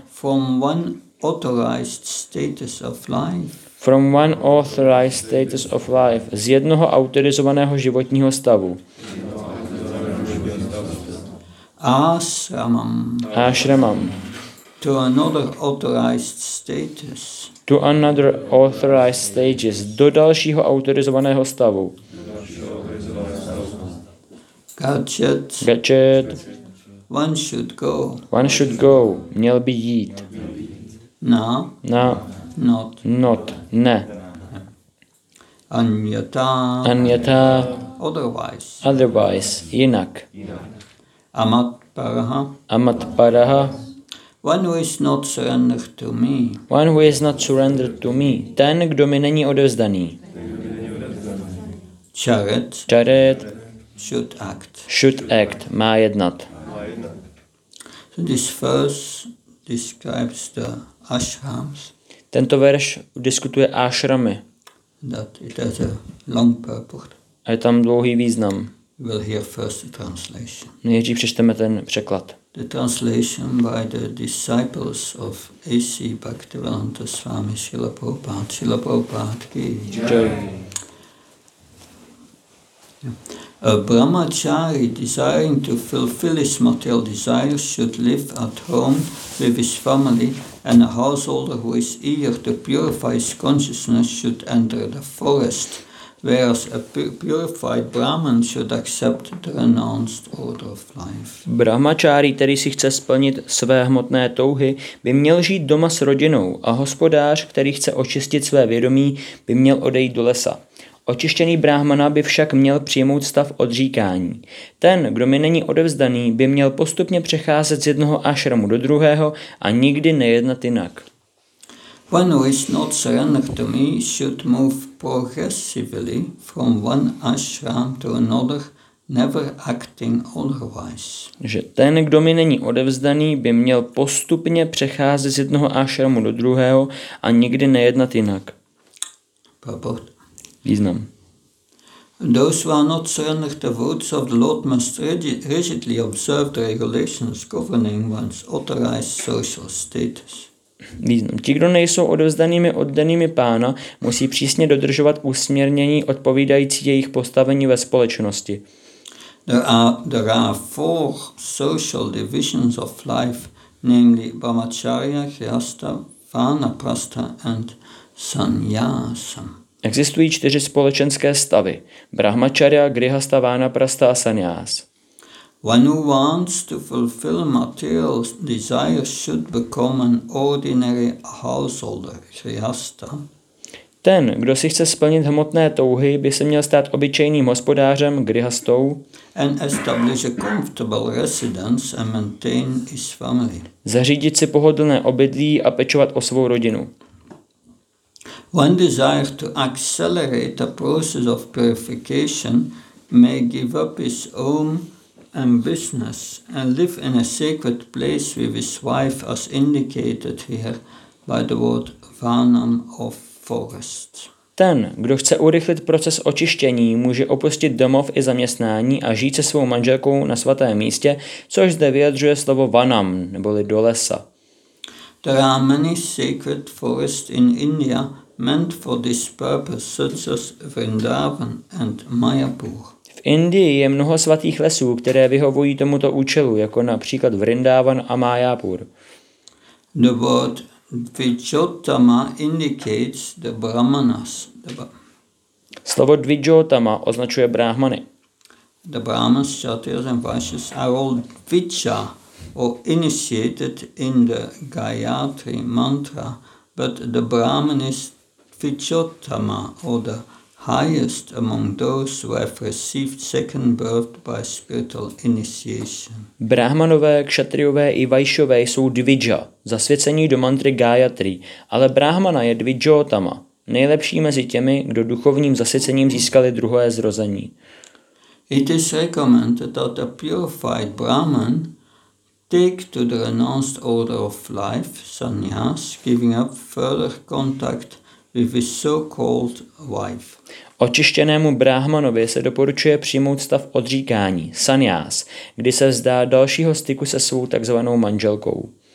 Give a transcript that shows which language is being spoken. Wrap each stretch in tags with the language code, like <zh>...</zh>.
<en>From one authorized status of life. From one authorized status of life.</en> <cs>Z jednoho autorizovaného životního stavu.</cs> <sa>Ashramam. Ashramam.</sa> <en>To another authorized status. To another authorized stages.</en> <cs>Do dalšího autorizovaného stavu.</cs> <sa>Gadget. Gadget.</sa> <en>One should go. One should go.</en> <cs>Měl by jít.</cs> <sa>Na. Na.</sa> <en>Not. Not.</en> <cs>Ne.</cs> <sa>Anyata. Anyata.</sa> <en>Otherwise. Otherwise.</en> <cs>Jinak.</cs> <sa>Amat paraha. Amat paraha.</sa> <en>One who is not surrendered to me. One who is not surrendered to me.</en> <cs>Ten, kdo mi není odevzdaný.</cs> <sa>Charet. Charet.</sa> <en>Should act. Should act.</en> <cs>Má jednat.</cs> <en>So this verse describes the ashrams.</en> <cs>Tento verš diskutuje ashramy.</cs> <en>That it has a long purport.</en> <cs>A je tam dlouhý význam.</cs> <en>We'll hear first the translation.</en> <cs>Nejdřív přečteme ten překlad.</cs> <en>The translation by the disciples of A.C. Bhaktivedanta Swami Srila Prabhupada. Srila Prabhupada ki jai. A brahmachari desiring to fulfill his material desires should live at home with his family, and a householder who is eager to purify his consciousness should enter the forest, whereas a purified Brahman should accept the renounced order of life.</en> <cs>Brahmachari, který si chce splnit své hmotné touhy, by měl žít doma s rodinou, a hospodář, který chce očistit své vědomí, by měl odejít do lesa. Očištěný brahmana by však měl přijmout stav odříkání. Ten, kdo mi není odevzdaný, by měl postupně přecházet z jednoho ašramu do druhého a nikdy nejednat jinak.</cs> <en>One who is not surrendered to me should move progressively from one ashram to another, never acting otherwise.</en> <cs>Že ten, kdo mi není odevzdaný, by měl postupně přecházet z jednoho ašramu do druhého a nikdy nejednat jinak.</cs> <en>Prabhupada.</en> <cs>Význam.</cs> <en>Those who are not surrendered the words of the Lord must rigidly observe the regulations governing one's authorized social status.</en> <cs>Význam. Ti, kdo nejsou odevzdanými oddanými pána, musí přísně dodržovat usměrnění odpovídající jejich postavení ve společnosti.</cs> <en>There are four social divisions of life, namely brahmacharya, grihastha, vanaprastha and sannyasa.</en> <cs>Existují čtyři společenské stavy: brahmacharya, grihastha, vanaprastha a sannyas.</cs> <en>One who wants to fulfill material desires should become an ordinary householder, grihastha.</en> <cs>Ten, kdo si chce splnit hmotné touhy, by se měl stát obyčejným hospodářem, grihastou,</cs> <en>and establish a comfortable residence and maintain his family.</en> <cs>Zařídit si pohodlné obydlí a pečovat o svou rodinu.</cs> <en>One desire to accelerate the process of purification may give up his home and business and live in a sacred place with his wife, as indicated here by the word vanam of forest.</en> <cs>Ten, kdo chce urychlit proces očištění, může opustit domov i zaměstnání a žít se svou manželkou na svatém místě, což zde vyjadřuje slovo vanam, neboli do lesa.</cs> <en>There are many sacred forests in India meant for this purpose, such as Vrindavan and Mayapur.</en> <cs>V Indii je mnoho svatých lesů, které vyhovují tomuto účelu, jako například Vrindavan a Mayapur.</cs> <en>The word Dvijotama indicates the Brahmanas.</en> <cs>Slovo Dvijotama označuje Brahmany.</cs> <en>The Brahmanas, Kshatriyas and Vaishyas are all Dvija, or initiated in the Gayatri mantra, but the Brahman is Dvijotama, or the highest among those who have received second birth by spiritual initiation.</en> <cs>Brahmanové, kšatriové i vajšové jsou dvidža, zasvěcení do mantry Gayatri, ale Brahmana je Dvijotama, nejlepší mezi těmi, kdo duchovním zasvěcením získali druhé zrození.</cs> <en>It is recommended that a purified Brahman take to the renounced order of life, sannyas, giving up further contact with his so-called wife.</en> <cs>Očištěnému brahmanovi se doporučuje přijmout stav odříkání, sannyas, kdy se vzdá dalšího styku se svou takzvanou manželkou.</cs>